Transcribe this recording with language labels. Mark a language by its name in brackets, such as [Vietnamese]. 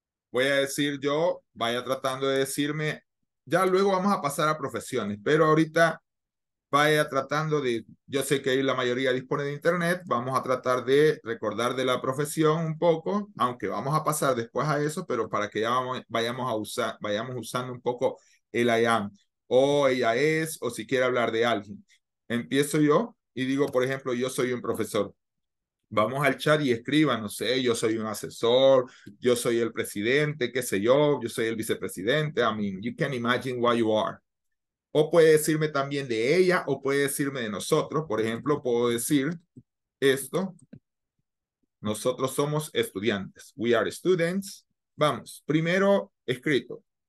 [Spanish] Voy a decir yo, vaya tratando de decirme, ya luego vamos a pasar a profesiones, pero ahorita vaya tratando de, yo sé que ahí la mayoría dispone de internet, vamos a tratar de recordar de la profesión un poco, aunque vamos a pasar después a eso, pero para que ya vayamos usando un poco el I am, o ella es, o si quiere hablar de alguien. Empiezo yo y digo, por ejemplo, yo soy un profesor. Vamos al chat y escriban, no sé, yo soy un asesor, yo soy el presidente, qué sé yo soy el vicepresidente. [English] I mean, you can imagine what you are. [Spanish] O puede decirme también de ella, o puede decirme de nosotros. Por ejemplo, puedo decir esto. Nosotros somos estudiantes. [English] We are students. [Spanish] Vamos, primero escrito.